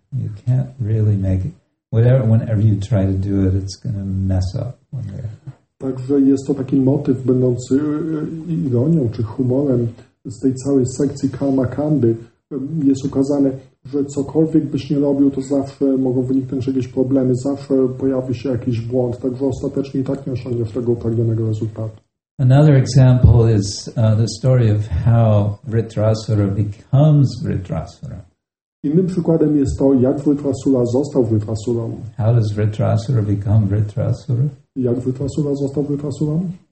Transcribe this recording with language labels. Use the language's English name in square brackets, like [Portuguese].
[English] You can't really make it. Whenever you try to do it, it's going to mess up. [Polish] Także jest to taki motyw będący ironią czy humorem z tej całej sekcji karmakandy. Jest ukazane, że cokolwiek byś nie robił, to zawsze mogą wyniknąć jakieś problemy, zawsze pojawi się jakiś błąd, także ostatecznie i tak nie osiągniesz tego upragnionego rezultatu. [English] Another example is the story of how Vritrasura becomes Vritrasura. [Polish] Innym przykładem jest to, jak Vritrasura został Vritrasurą. [English] How does Vritrasura become Vritrasura? [Polish] Jak Vritrasura został Vritrasurą?